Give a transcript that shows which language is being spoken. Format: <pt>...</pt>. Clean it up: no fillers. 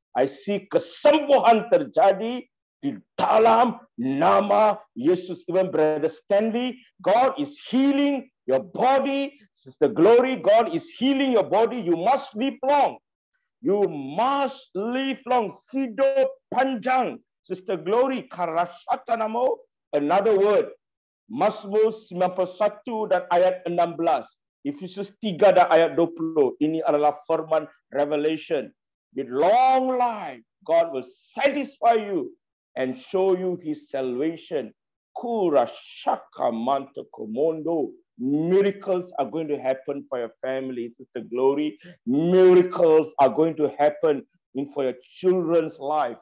<ms>I see kesembuhan terjadi di dalam nama Yesus.</ms> <en>Even Brother Stanley, God is healing your body. Sister Glory, God is healing your body. You must live long. You must live long.</en> <ms>Hidup panjang.</ms> <en>Sister Glory, karasata namo. Another word.</en> <ms>Mazmur 91 dan ayat 16. Efesus 3 dan ayat 20. Ini adalah firman revelation.</ms> <en>With long life, God will satisfy you and show you his salvation. Kurashaka manta komondo. Miracles are going to happen for your family. Sister Glory, miracles are going to happen in for your children's life.</en>